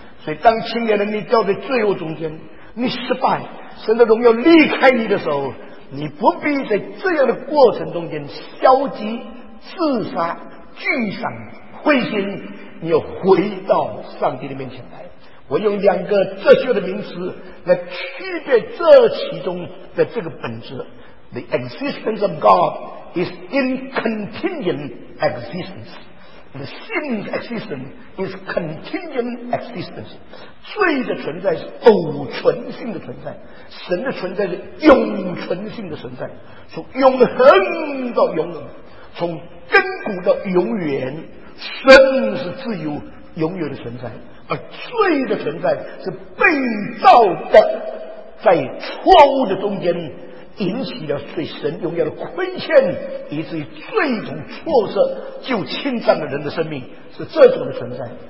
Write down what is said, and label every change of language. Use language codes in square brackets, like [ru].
[zh] 所以当青年人你掉在罪恶中间，你失败，神的荣耀离开你的时候，你不必在这样的过程中间消极自杀沮丧灰心，你要回到上帝的面前来。我用两个哲学的名词来区别这其中的这个本质。 [en] The existence of God is in contingent existence. The sin's existence is contingent existence. [zh] 罪的存在是偶存性的存在，神的存在是永存性的存在。从永恒到永恒，从根骨到永远，神是自由永远的存在，而罪的存在是被造的，在错误的中间引起了对神荣耀的亏欠，以至于罪从错色就侵占了人的生命，是这种的存在。